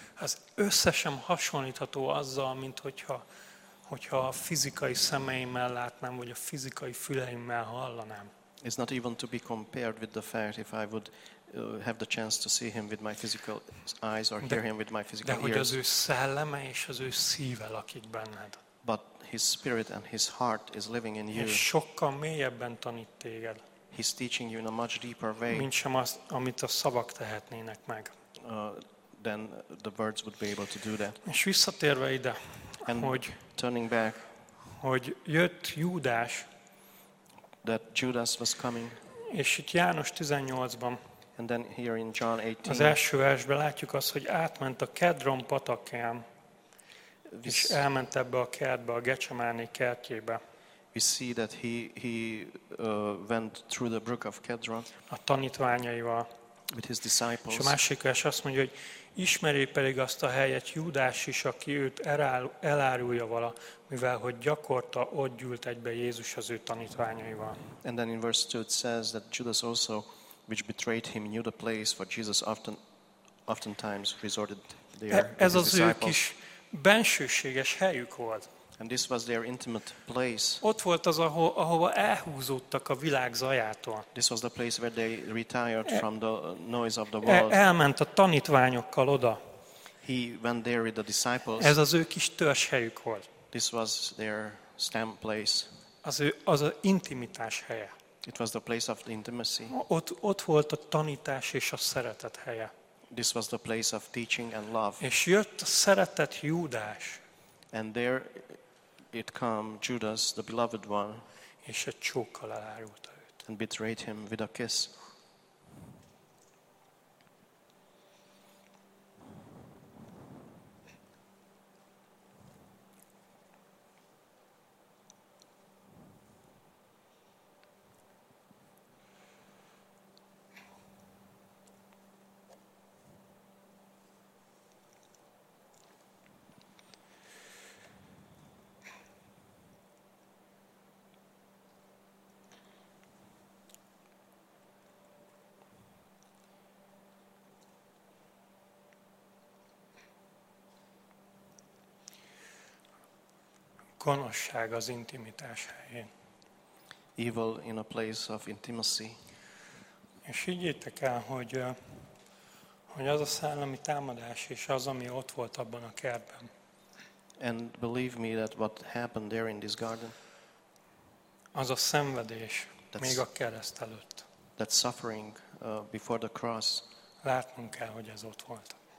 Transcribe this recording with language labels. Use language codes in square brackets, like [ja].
[hu] Az összesen hasonlítható azzal, mint hogyha a fizikai szemeimmel látnám, vagy a fizikai füleimmel hallanám. [en] It's not even to be compared with the fact if I would have the chance to see him with my physical eyes or hear him with my physical ears. [hu] De hogy az ő szelleme és az ő szíve lakik benned. [en] But his spirit and his heart is living in you. [hu] És sokkal mélyebben tanít téged. [en] He's teaching you in a much deeper way. [hu] Mint sem azt, amit a szavak tehetnének meg. [en] Then the words would be able to do that. [hu] És visszatérve ide, [en] and [hu] hogy [en] turning back, [hu] hogy jött Júdás, [en] that Judas was coming, [hu] és itt János 18-ban, [en] and then here in John 18, [hu] az első versben látjuk azt, hogy átment a Kedron patakán, és elment ebbe a kertbe, a Getsemáné kertjébe. [en] We see that he went through the brook of Kedron [hu] a tanítványaival, [en] with his disciples. [hu] És a másik vers azt mondja, hogy ismeri pedig azt a helyet Júdás is, aki őt elárulja vala, mivel hogy gyakorta ott gyűlt egybe Jézus az ő tanítványaival. [en] And then in verse 2 it says that Judas also, which betrayed him, knew the place, for Jesus oftentimes resorted there. [hu] Ez az ő kis bensőséges helyük volt. [en] And this was their intimate place. [hu] Ott volt az, ahova elhúzódtak a világ zajától. [en] This was the place where they retired from the noise of the world. [hu] Elment a tanítványokkal oda. [en] He went there with the disciples. [hu] Ez az ő kis törzshelyük volt. [en] This was their stamp place. [hu] Az intimitás helye. [en] It was the place of the intimacy. [hu] Ott volt a tanítás és a szeretet helye. [en] This was the place of teaching and love. [hu] És jött a szeretet Júdás. [en] And there it came Judas, the beloved one, [hu] és egy csókkal elárulta őt. [en] And betrayed him with a kiss. [hu] Gonoszság az intimitás helyén. [en] Evil in a place of intimacy. [hu] És higgyétek el, hogy az a szellemi támadás és az, ami ott volt abban a kertben. [en] And believe me that what happened there in this garden. [hu] Az a szenvedés még a kereszt előtt. [en] That suffering before the cross. [hu] Látnunk kell, hogy ez ott volt.